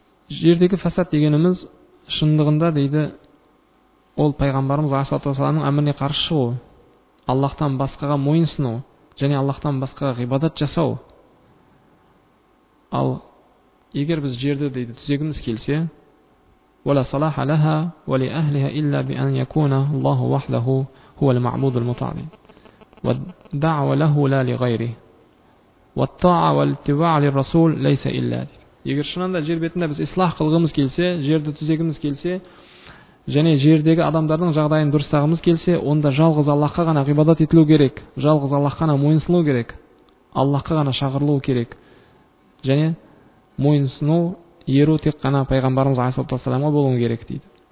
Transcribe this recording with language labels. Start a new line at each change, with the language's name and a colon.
Kazakh: Жердегі фасад дегеніміз шындығында дейді, ол пайғамбарымыз Ас-Саламның әміріне қарсы шығу. Аллахтан басқаға мойын сыну. Және Аллахтан басқаға ғибадат жасау. Ал егер біз жерді дейді түзегіміз келсе,
Arabic: ولا صلاح لها ولأهلها إلا بأن يكون الله وحده هو المعبود المطاع والدعوة له لا لغيره والطاعة والاتباع للرسول ليس إلا
Kazakh: егер шынында жер бетінде біз ислах қылғымыз келсе, жерді түзегіміз келсе және жердегі адамдардың жағдайын дұрыстағымыз келсе, онда жалғыз Аллаһқа ғана ғибадат етілу керек, жалғыз Аллаһқа ғана мойынсыну керек, Аллаһқа ғана шақырылу керек және мойынсыну еру тек қана пайғамбарымыз ғасаламға болуын керек дейді.